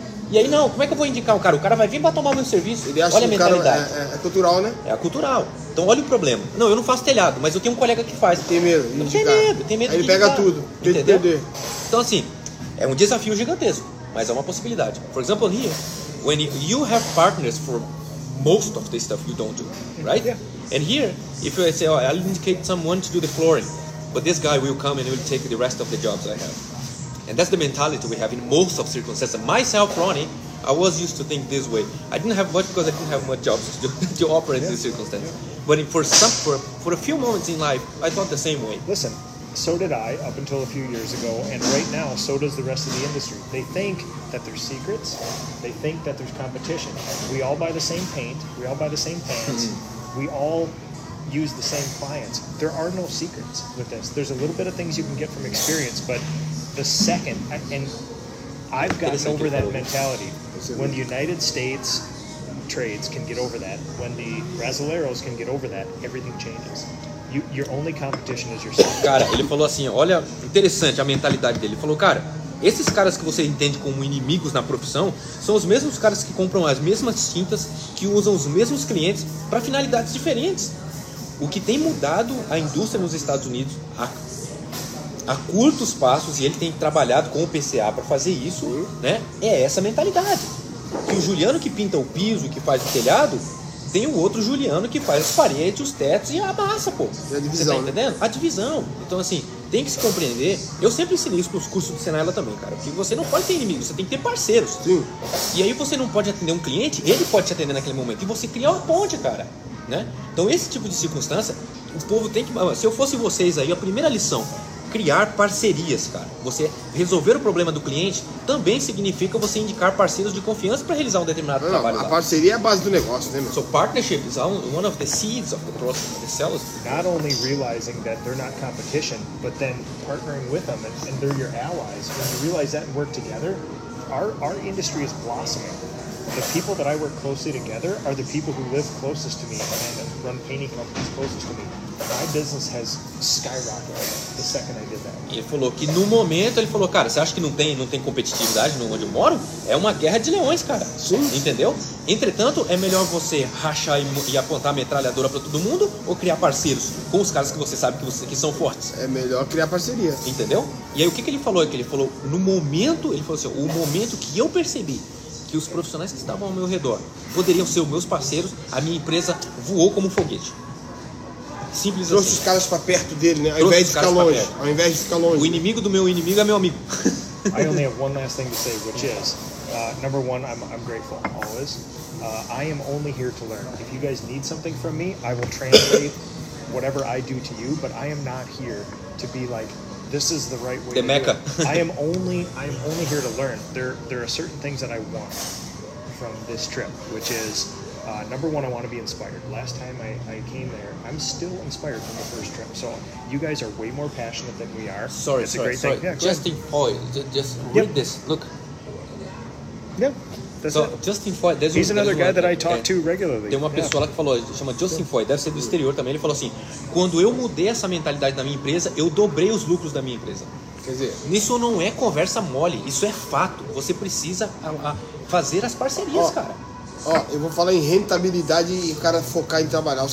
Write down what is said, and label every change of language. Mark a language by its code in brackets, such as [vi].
[pt] E aí não, como é que eu vou indicar o cara? O cara vai vir para tomar meu serviço. Ele acha, olha que a mentalidade. É cultural, né? É cultural. Então olha o problema. Não, eu não faço telhado, mas eu tenho um colega que faz. Tem medo. Eu tenho medo. Tem medo. Ele pega tudo. Entendeu? Então assim, é um desafio gigantesco, mas é uma possibilidade. [en] For example, here, when you have partners for most of the stuff you don't do, right? Yeah. And here, if I say, oh, I'll indicate someone to do the flooring, but this guy will come and will take the rest of the jobs I have. And that's the mentality we have in most of circumstances. Myself, Ronnie, I was used to think this way. I didn't have much because I didn't have much jobs to do, to operate in this circumstance. Yeah. But for a few moments in life, I thought the same way. Listen, so did I up until a few years ago, and right now, so does the rest of the industry. They think that there's secrets. They think that there's competition. We all buy the same paint. We all buy the same pants. Mm-hmm. We all use the same clients. There are no secrets with this. There's a little bit of things you can get from experience, but the second, and I've gotten over that mentality. When the United States trades can get over that, when the Brasileiros can get over that, everything changes. Your only competition is yourself. [pt] Cara, ele falou assim, olha, interessante a mentalidade dele. Ele falou, cara, esses caras que você entende como inimigos na profissão são os mesmos caras que compram as mesmas tintas, que usam os mesmos clientes para finalidades diferentes. O que tem mudado a indústria nos Estados Unidos a curtos passos, e ele tem trabalhado com o PCA para fazer isso, né, é essa mentalidade. Que o Juliano que pinta o piso, que faz o telhado, tem um outro Juliano que faz as paredes, os tetos e a massa, pô. É a divisão. Você tá entendendo? Né? A divisão. Então, assim, tem que se compreender. Eu sempre ensinei isso nos cursos do Senaila também, cara. Porque você não pode ter inimigos, você tem que ter parceiros. Sim. E aí você não pode atender um cliente, ele pode te atender naquele momento. E você cria uma ponte, cara. Né? Então, esse tipo de circunstância, o povo tem que... Se eu fosse vocês aí, a primeira lição, criar parcerias, cara. Você resolver o problema do cliente também significa você indicar parceiros de confiança para realizar um determinado trabalho. A parceria é a base do negócio, né, meu? [en] So partnership is one of the seeds of the process of the sales. Not only realizing that they're not competition, but then partnering with them and they're your allies. When you realize that and work together, our industry is blossoming. The people that I work closely together are the people who live closest to me and run painting companies closest to me. My business has skyrocketed the second I did that. [pt] E ele falou que no momento, ele falou, cara, você acha que não tem competitividade onde eu moro? É uma guerra de leões, cara. Sim. Entendeu? Entretanto, é melhor você rachar e apontar a metralhadora pra todo mundo ou criar parceiros com os caras que você sabe que são fortes? É melhor criar parceria. Entendeu? E aí o que ele falou? É que ele falou, no momento, ele falou assim, o momento que eu percebi que os profissionais que estavam ao meu redor poderiam ser os meus parceiros, a minha empresa voou como um foguete. Simples trouxe assim. Os caras pra perto dele, né? Ao invés de ficar longe. Ao invés de ficar longe. O inimigo do meu inimigo é meu amigo. [en] I only have one last thing to say, which is, number one, I'm grateful, always. I am only here to learn. If you guys need something from me, I will translate whatever I do to you, but I am not here to be like, this is the right way the Mecca. Do it. I am only here to learn. There are certain things that I want from this trip, which is, number one, I want to be inspired. Last time I came there, I'm still inspired from the first trip. So you guys are way more passionate than we are. Sorry, that's sorry, a great sorry. Thing. Yeah, Justin Foy, just read yep. this. Look. Yeah. So, Justin Foy, he's another guy that I talk to regularly. [pt] Tem uma pessoa lá que falou, chama Justin Foy, deve ser do exterior também. Ele falou assim, quando eu mudei essa mentalidade na minha empresa, eu dobrei os lucros da minha empresa. Quer dizer, isso não é conversa mole, isso é fato. Você precisa fazer as parcerias, cara. Ó, eu vou falar em rentabilidade e o cara focar em trabalhar.